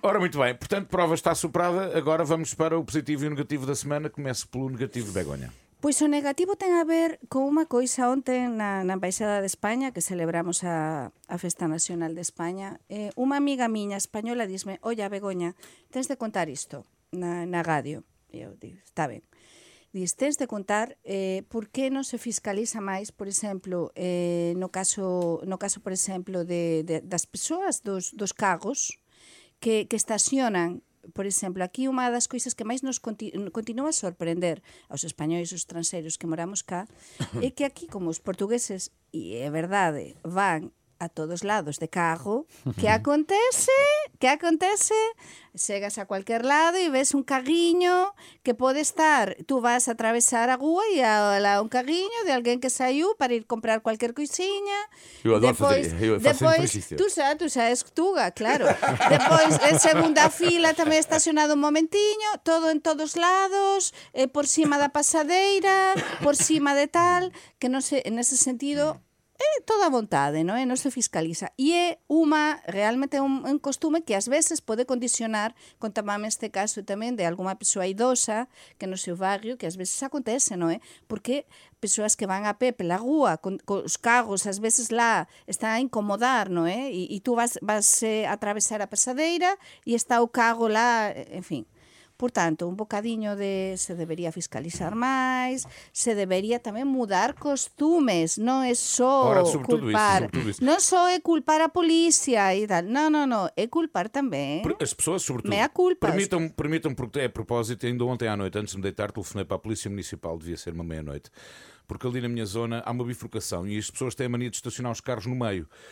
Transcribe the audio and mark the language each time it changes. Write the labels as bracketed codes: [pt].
[pt] Ora, muito bem. Portanto, prova está superada. Agora vamos para o positivo e o negativo da semana. Começo pelo negativo, Begonha. Pois o negativo tem a ver com uma coisa ontem na Embaixada de Espanha, que celebramos a Festa Nacional de Espanha. Uma amiga minha espanhola diz-me: olha, Begonha, tens de contar isto na rádio. Eu digo: está bem. [gl] Diz, tens de contar por que non se fiscaliza máis, por exemplo, no caso, por exemplo, das persoas, dos cargos que estacionan, por exemplo, aquí unha das cousas que máis nos continua a sorprender aos españoles e aos transeiros que moramos cá, é que aquí, como os portugueses, e é verdade, van a todos lados de carro, que acontece? Chegas a cualquier lado e ves un carriño que pode estar, tú vas a atravesar a rua e há un carriño de alguén que saiu para ir comprar cualquier coisinha. [pt] Eu adoro fazer [gl] tú xa, és tuga, claro. Depois, en segunda fila, tamén estacionado un momentinho, todo en todos lados, por cima da pasadeira, por cima de tal, que non sei, en ese sentido... É toda a vontade, non é? Non se fiscaliza. E é realmente un costume que ás veces pode condicionar, contábame este caso tamén, de alguma persoa idosa que no seu barrio, que ás veces acontece, non é? Porque persoas que van a pé pela rúa, con os carros, ás veces lá, está a incomodar, non é? E tú vas a atravesar a pasadeira e está o carro lá, en fin. Por tanto, un bocadiño de se debería fiscalizar máis, se debería tamén mudar costumes, non é só culpar. Non só é culpar a policía e tal. Non, é culpar tamén. [pt] As pessoas, sobretudo. Mea culpa. Permitam, porque é a propósito, ainda ontem à noite, antes de me deitar, telefonei para a Polícia Municipal, devia ser uma meia-noite. porque ali na minha zona há uma bifurcação e as pessoas têm a mania de estacionar os carros no meio.